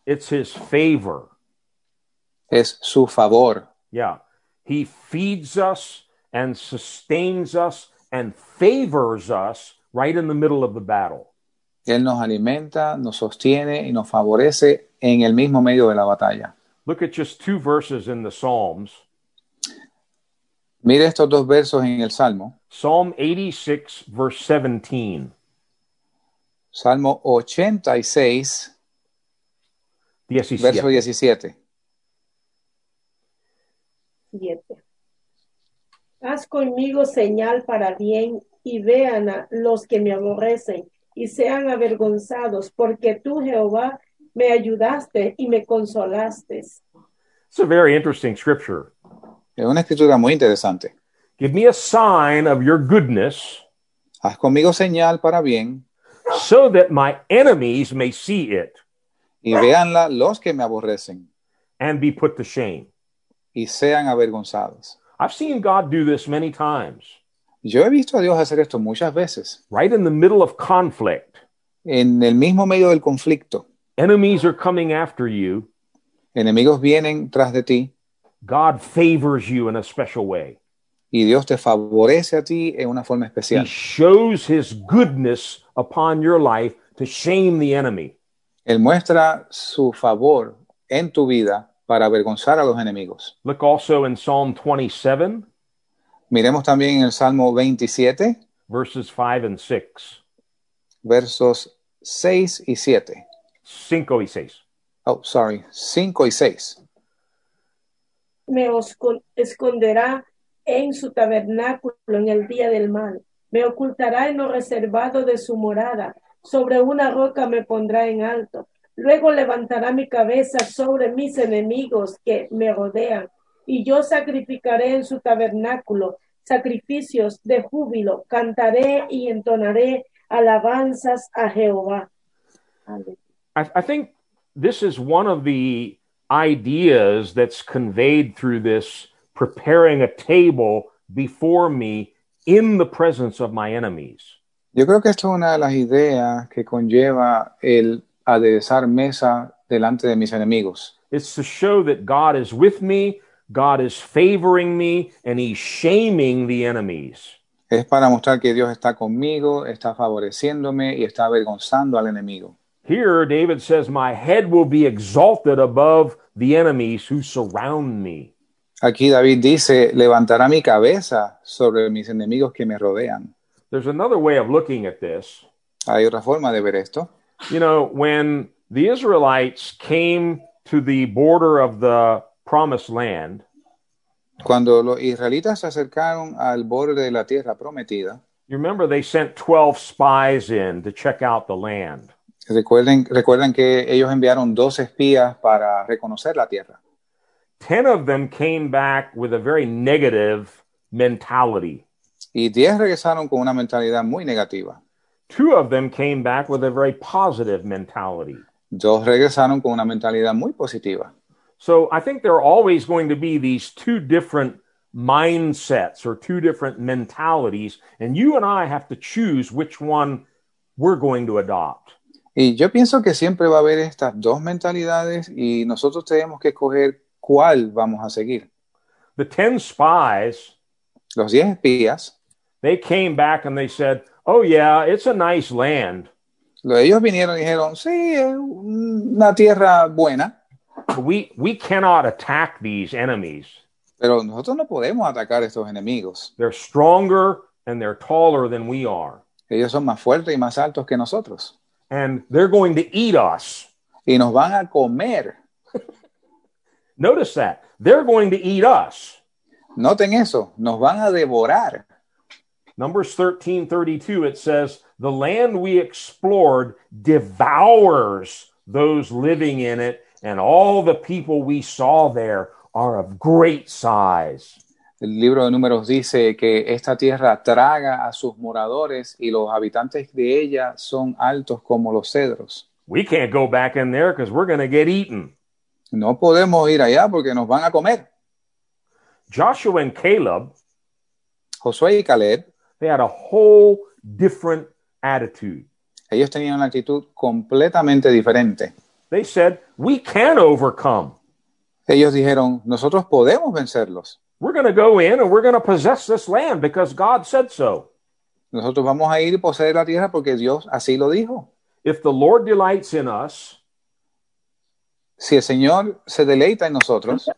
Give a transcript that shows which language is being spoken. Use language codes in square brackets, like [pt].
[en] It's his favor. [es] Es su favor. [en] Yeah. He feeds us and sustains us and favors us right in the middle of the battle. [es] Él nos alimenta, nos sostiene y nos favorece en el mismo medio de la batalla. [en] Look at just two verses in the Psalms. [es] Mire estos dos versos en el Salmo. [en] Psalm 86, verse 17. [es] Salmo 86, 17. Verso 17. Haz conmigo señal para bien y vean a los que me aborrecen y sean avergonzados, porque tú, Jehová, me ayudaste y me consolaste. [en] It's a very interesting scripture. [es] Es una escritura muy interesante. [en] Give me a sign of your goodness. [es] Haz conmigo señal para bien. [en] So that my enemies may see it. [es] Y veanla los que me aborrecen. [en] And be put to shame. [es] Y sean avergonzados. [en] I've seen God do this many times. [es] Yo he visto a Dios hacer esto muchas veces. [en] Right in the middle of conflict. [es] En el mismo medio del conflicto. [en] Enemies are coming after you. [es] Enemigos vienen tras de ti. [en] God favors you in a special way. [es] Y Dios te favorece a ti en una forma especial. [en] He shows his goodness upon your life to shame the enemy. [es] Él muestra su favor en tu vida para avergonzar a los enemigos. [en] Look also in Psalm 27. [es] Miremos también en el Salmo 27. [en] Verses 5 and 6. [es] Versos 6 y 7. 5 y 6. [en] Oh, sorry. [es] 5 y 6. Me esconderá en su tabernáculo en el día del mal. Me ocultará en lo reservado de su morada. Sobre una roca me pondrá en alto. Luego levantará mi cabeza sobre mis enemigos que me rodean, y yo sacrificaré en su tabernáculo sacrificios de júbilo, cantaré y entonaré alabanzas a Jehová. [en] I think this is one of the ideas that's conveyed through this preparing a table before me in the presence of my enemies. [es] Yo creo que esto es una de las ideas que conlleva el aderezar mesa delante de mis enemigos. [en] It's to show that God is with me, God is favoring me, and he's shaming the enemies. [es] Es para mostrar que Dios está conmigo, está favoreciéndome y está avergonzando al enemigo. [en] Here David says, my head will be exalted above the enemies who surround me. [es] Aquí David dice, levantará mi cabeza sobre mis enemigos que me rodean. [en] There's another way of looking at this. [es] Hay otra forma de ver esto. [en] You know, when the Israelites came to the border of the promised land, [es] cuando los israelitas se acercaron al borde de la tierra prometida, [en] you remember they sent 12 spies in to check out the land. [es] Recuerden que ellos enviaron 12 espías para reconocer la tierra. [en] 10 of them came back with a very negative mentality. [es] Y 10 regresaron con una mentalidad muy negativa. [en] 2 of them came back with a very positive mentality. [es] 2 regresaron con una mentalidad muy positiva. [en] So I think there are always going to be these two different mindsets or two different mentalities, and you and I have to choose which one we're going to adopt. [es] Y yo pienso que siempre va a haber estas dos mentalidades y nosotros tenemos que escoger cuál vamos a seguir. [en] The 10 spies, [es] los 10 espías, [en] they came back and they said, oh yeah, it's a nice land. [es] Ellos vinieron y dijeron, sí, una tierra buena. [en] We cannot attack these enemies. [es] Pero nosotros no podemos atacar estos enemigos. [en] They're stronger and they're taller than we are. [es] Ellos son más fuertes y más altos que nosotros. [en] And they're going to eat us. [es] Y nos van a comer. [en] Notice that. They're going to eat us. [es] Noten eso. Nos van a devorar. [en] Numbers 13:32, it says, the land we explored devours those living in it, and all the people we saw there are of great size. [es] El libro de Números dice que esta tierra traga a sus moradores y los habitantes de ella son altos como los cedros. [en] We can't go back in there because we're going to get eaten. [es] No podemos ir allá porque nos van a comer. [en] Joshua and Caleb, [es] Josué y Caleb, [en] they had a whole different attitude. [es] Ellos tenían una actitud completamente diferente. [en] They said, we can overcome. [es] Ellos dijeron, nosotros podemos vencerlos. [en] We're going to go in and we're going to possess this land because God said so. [es] Nosotros vamos a ir y poseer la tierra porque Dios así lo dijo. [en] If the Lord delights in us, [es] si el Señor se deleita en nosotros,